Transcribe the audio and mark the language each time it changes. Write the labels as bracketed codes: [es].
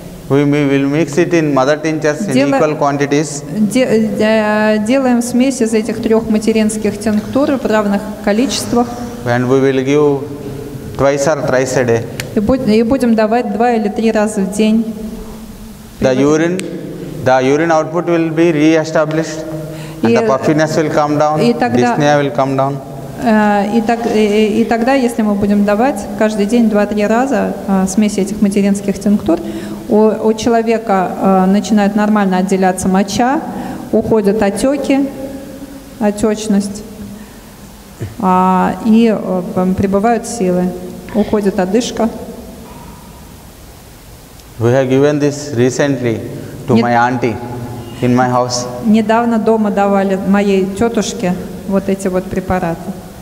[en] We will mix it in mother tinctures in equal quantities. [ru] Делаем смесь из этих трех материнских тинктур в равных количествах. [en] And we will give twice or thrice a day. [ru] И будем давать два или три раза в день. [en] The urine output will be re-established, and the puffiness will come down, dyspnea will come down. [ru] И тогда, если мы будем давать каждый день 2-3 раза смеси этих материнских тинктур, у человека начинает нормально отделяться моча, уходят отеки, отечность, и прибывают силы, уходит одышка. [en] We have given this recently to my auntie in my house. [ru] Недавно дома давали моей тетушке вот эти вот препараты.